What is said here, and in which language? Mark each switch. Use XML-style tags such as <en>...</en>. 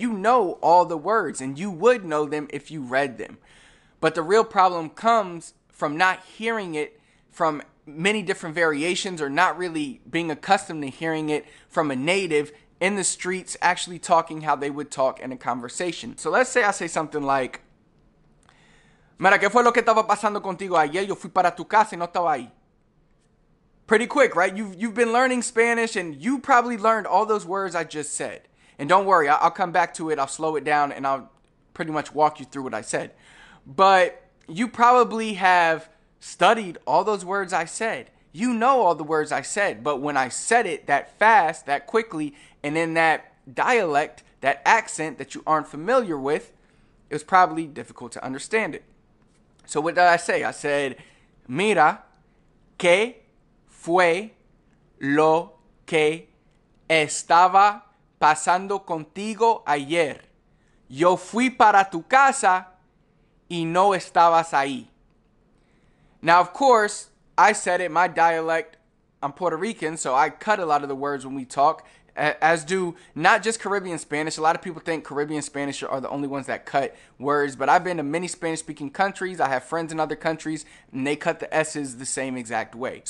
<en>You know all the words, and you would know them if you read them. But the real problem comes from not hearing it from many different variations, or not really being accustomed to hearing it from a native in the streets, actually talking how they would talk in a conversation. So let's say I say something like,</en> <es>Mira, ¿qué fue lo que estaba pasando contigo ayer? Yo fui para tu casa y no estaba ahí.</es> <en>Pretty quick, right? You've been learning Spanish, and you probably learned all those words I just said. And don't worry, I'll come back to it. I'll slow it down, and I'll pretty much walk you through what I said. But you probably have studied all those words I said. You know all the words I said, but when I said it that fast, that quickly, and in that dialect, that accent that you aren't familiar with, it was probably difficult to understand it. So what did I say? I said,</en> <es>Mira, ¿qué fue lo que estaba pasando contigo ayer? Yo fui para tu casa y no estabas ahí.</es> <en>Now, of course, I said it, my dialect, I'm Puerto Rican, so I cut a lot of the words when we talk, as do not just Caribbean Spanish. A lot of people think Caribbean Spanish are the only ones that cut words, but I've been to many Spanish-speaking countries, I have friends in other countries, and they cut the S's the same exact way.</en>